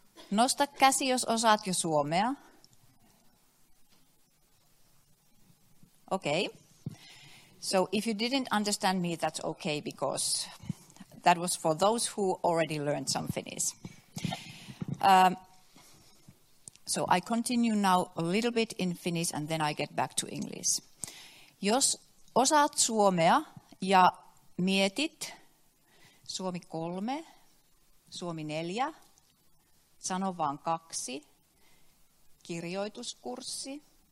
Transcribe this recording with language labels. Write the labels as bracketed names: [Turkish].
[Finnish] Nosta käsi, jos osaat jo suomea. [English] Okay. So if you didn't understand me, that's okay, because that was for those who already learned some Finnish. So I continue now a little bit in Finnish and then I get back to English. [Finnish] Jos osaat suomea ja mietit Suomi 3, Suomi 4, sano vaan 2, kirjoituskurssi.